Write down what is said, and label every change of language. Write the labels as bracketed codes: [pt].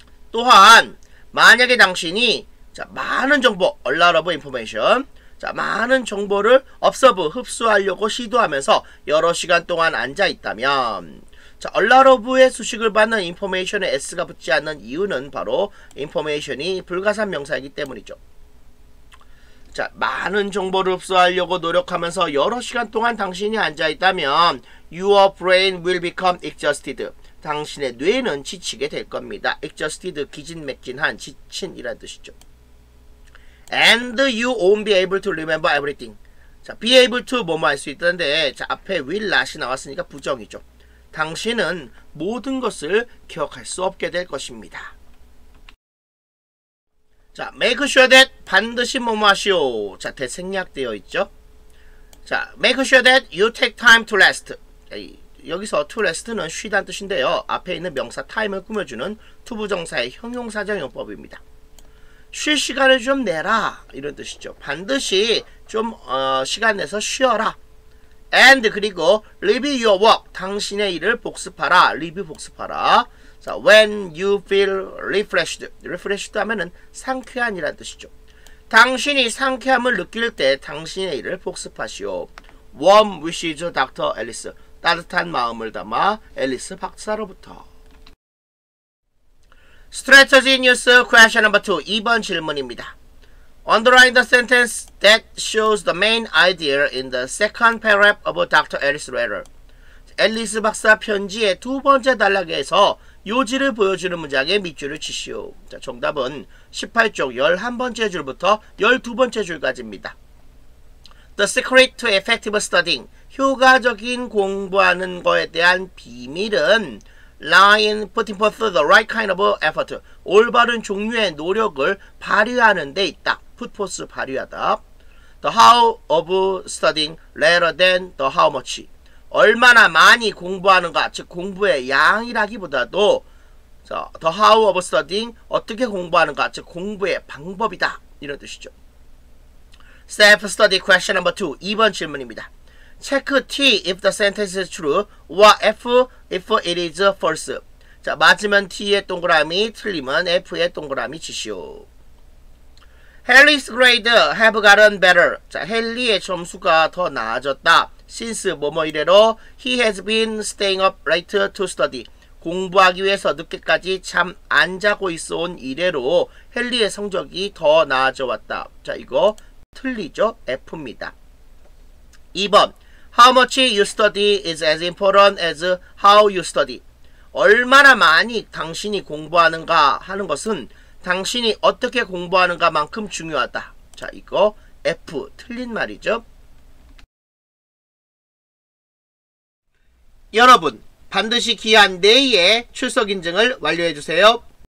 [ko] 또한 만약에 당신이 자, 많은 정보, [en] a lot of information, [ko] 자, 많은 정보를 observe, 흡수하려고 시도하면서 여러 시간 동안 앉아있다면, 자, a lot of의 수식을 받는 information에 s가 붙지 않는 이유는 바로 information이 불가산 명사이기 때문이죠. 자, 많은 정보를 흡수하려고 노력하면서 여러 시간 동안 당신이 앉아있다면 [en] your brain will become exhausted. [ko] 당신의 뇌는 지치게 될 겁니다. exhausted, 기진맥진한, 지친이라는 뜻이죠. [en] And you won't be able to remember everything. [ko] 자, be able to 뭐뭐 할 수 있던데, 자, 앞에 will not이 나왔으니까 부정이죠. 당신은 모든 것을 기억할 수 없게 될 것입니다. 자, make sure that 반드시 뭐뭐 하시오. 자, 대생략되어 있죠. [en] 자, make sure that you take time to rest. [ko] 여기서 to rest는 쉬다는 뜻인데요. 앞에 있는 명사 time을 꾸며주는 to 부정사의 형용사적 용법입니다. 쉴 시간을 좀 내라 이런 뜻이죠. 반드시 좀 시간 내서 쉬어라. And 그리고 [en] review your work, [ko] 당신의 일을 복습하라. review 복습하라. 자, [en] when you feel refreshed. [ko] refreshed 하면은 상쾌한이란 뜻이죠. 당신이 상쾌함을 느낄 때 당신의 일을 복습하시오. [en] warm wishes, Dr. Alice. [ko] 따뜻한 마음을 담아 앨리스 박사로부터. [en] Strategy News Question No. 2. [ko] 2번 질문입니다. [en] Underline the sentence that shows the main idea in the second paragraph of Dr. Alice's letter. [ko] 앨리스 박사 편지의 두 번째 단락에서 요지를 보여주는 문장에 밑줄을 치시오. 자, 정답은 18쪽 11번째 줄부터 12번째 줄까지입니다. [en] The secret to effective studying. [ko] 효과적인 공부하는 거에 대한 비밀은 [en] lie in putting forth the right kind of effort. [ko] 올바른 종류의 노력을 발휘하는 데 있다. put forth 발휘하다. [en] The how of studying rather than the how much. [ko] 얼마나 많이 공부하는가, 즉 공부의 양이라기보다도 [en] the how of studying [ko] 어떻게 공부하는가, 즉 공부의 방법이다. 이런 뜻이죠. [en] Self-study question number 2. [ko] 2번 질문입니다. [en] Check T if the sentence is true, or F if it is false. [ko] 자, 맞으면 T의 동그라미, 틀리면 F의 동그라미 치시오. [en] Harry's grade have gotten better. [ko] 자, 헨리의 점수가 더 나아졌다. [en] Since [ko] 뭐뭐 이래로 [en] he has been staying up late to study. [ko] 공부하기 위해서 늦게까지 잠 안 자고 있어 온 이래로 헨리의 성적이 더 나아져 왔다. 자, 이거 틀리죠? F입니다. 2번. [en] How much you study is as important as how you study. [ko] 얼마나 많이 당신이 공부하는가 하는 것은 당신이 어떻게 공부하는가만큼 중요하다. 자, 이거 F, 틀린 말이죠. 여러분, 반드시 기한 내에 출석 인증을 완료해 주세요.